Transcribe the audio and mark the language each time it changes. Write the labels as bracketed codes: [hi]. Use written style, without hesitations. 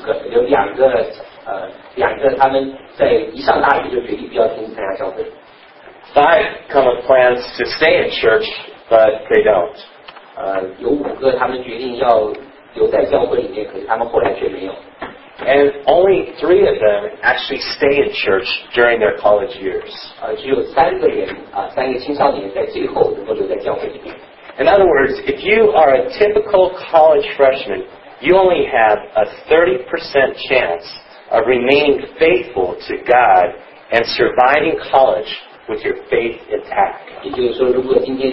[zh] 有两个他们在一上大学就决定不要参加教会。 [en] Five come with plans to stay in church, but they don't. [zh] 有五个他们决定要留在教会里面，可是他们后来却没有。 [en] And only three of them actually stay in church during their college years. [zh] 只有三个青少年在最后能够留在教会里面。 [en] In other words, if you are a typical college freshman, you only have a 30% chance of remaining faithful to God and surviving college with your faith intact.